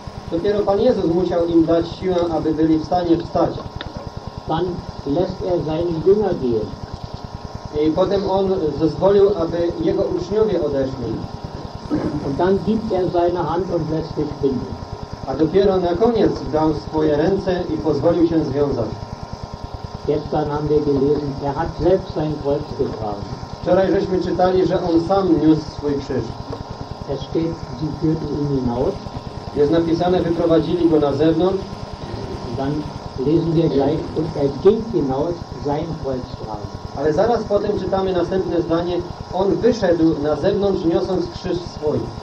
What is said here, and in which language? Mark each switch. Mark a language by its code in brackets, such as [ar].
[pl] Dopiero Pan Jezus musiał im dać siłę, aby byli w stanie wstać. [de] Dann lässt er seinen Jünger gehen. [pl] I potem on zezwolił, aby jego uczniowie odeszli. [de] Und dann gibt er seine Hand und lässt sich binden. [pl] A dopiero na koniec dał swoje ręce i pozwolił się związać. [de] Gestern haben wir gelesen, er hat selbst sein Kreuz getragen. [pl] Wczoraj żeśmy czytali, że on sam niósł swój krzyż. [de] Es steht, sie führten ihn hinaus. [pl] Jest napisane, wyprowadzili go na zewnątrz. [de] Und dann lesen wir gleich, und er ging hinaus, sein Kreuz tragen. [pl] Ale zaraz potem czytamy następne zdanie. On wyszedł na zewnątrz, niosąc krzyż swój.